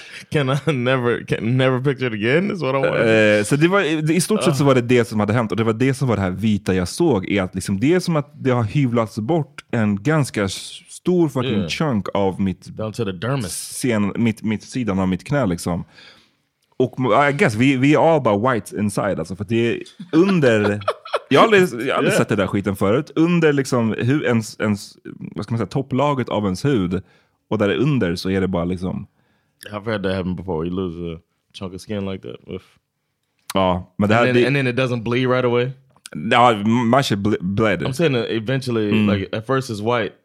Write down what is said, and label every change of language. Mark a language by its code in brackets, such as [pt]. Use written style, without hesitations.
[en] Can I never picture it again? Is what I want. [sv] Så det var, i stort sett så var det som hade hänt. Och det var det som var det här vita jag såg. Är att liksom, det är som att det har hyvlats bort en ganska stor fucking chunk av mitt, [en] down to the dermis. [sv] Mitt sidan av mitt knä liksom. Och [en] I guess [sv] vi är all bara [en] white inside. [sv] Alltså, för att det är under... Jag har aldrig sett det där skiten förut. Under liksom hur ens, vad ska man säga, topplaget av ens hud. Och där under så är det bara liksom... [en] I've had that happen before. You lose a chunk of skin like that. Oof. [sv] Ja, men det här... [en] And then it doesn't bleed right away? No, my shit bled. I'm saying eventually, like at first it's white.